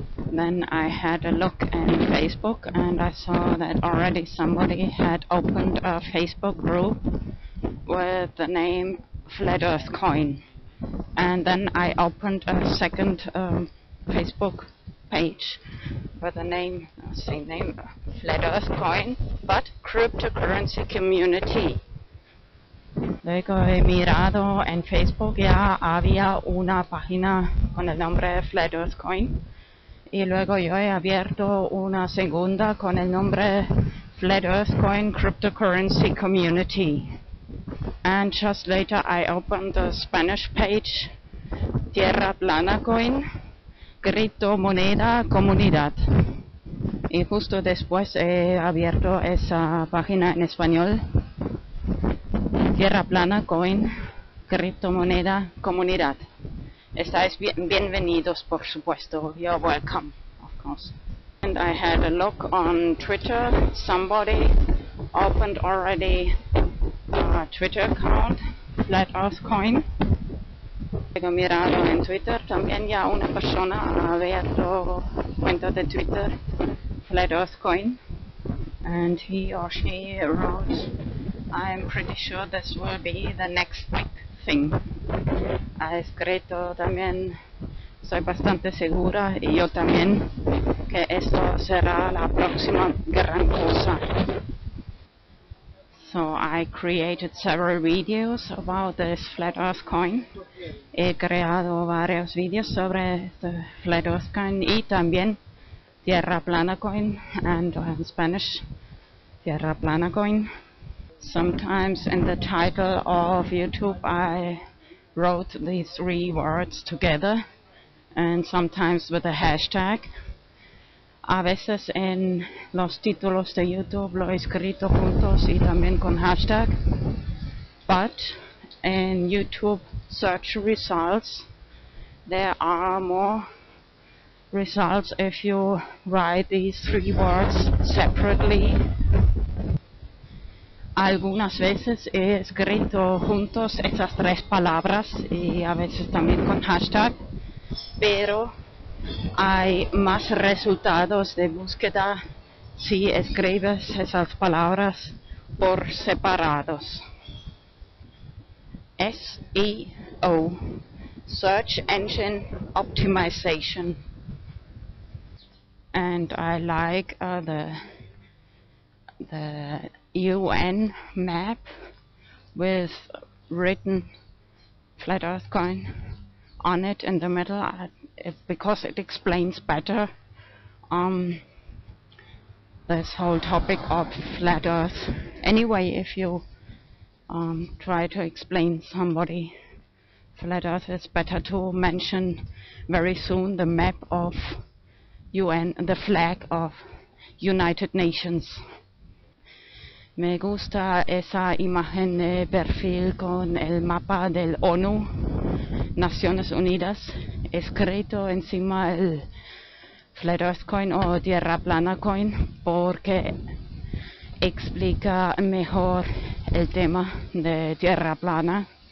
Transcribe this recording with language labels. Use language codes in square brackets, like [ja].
[en] Then I had a look in Facebook and I saw that already somebody had opened a Facebook group with the name Flat Earth Coin. And then I opened a second Facebook page with the name, same name, Flat Earth Coin, but Cryptocurrency Community. [es] Luego he mirado en Facebook, ya había una página con el nombre Flat Earth Coin. Y luego yo he abierto una segunda con el nombre Flat Earth Coin Cryptocurrency Community. [en] And just later I opened the Spanish page Tierra Plana Coin Criptomoneda Comunidad. [es] Y justo después he abierto esa página en español Tierra Plana Coin Criptomoneda Comunidad. Estáis bienvenidos, por supuesto. [en] You're welcome, of course. And I had a look on Twitter. Somebody opened already a Twitter account, Flat Earth Coin. [es] Luego mirado en Twitter, también ya una persona ha abierto cuenta de Twitter, Flat Earth Coin. [en] And he or she wrote, I'm pretty sure this will be the next big thing. [es] Ha escrito también, soy bastante segura, y yo también, que esto será la próxima gran cosa. [en] So I created several videos about this Flat Earth Coin. [es] He creado varios videos sobre the Flat Earth Coin y también Tierra Plana Coin, [en] and in Spanish, [es] Tierra Plana Coin. [en] Sometimes in the title of YouTube I wrote these three words together, and sometimes with a hashtag. [es] A veces en los títulos de YouTube lo he escrito juntos y también con hashtag. [en] But in YouTube search results, there are more results if you write these three words separately. [es] Algunas veces he escrito juntos esas tres palabras y a veces también con hashtag, pero hay más resultados de búsqueda si escribes esas palabras por separados. [en] SEO, Search Engine Optimization. And I like the UN map with written Flat Earth Coin on it in the middle, because it explains better this whole topic of Flat Earth. Anyway, if you try to explain somebody Flat Earth, it's better to mention very soon the map of UN, the flag of United Nations. [es] Me gusta esa imagen de perfil con el mapa del ONU, Naciones Unidas, escrito encima el Flatearthcoin o Tierra Plana Coin porque explica mejor el tema de Tierra Plana.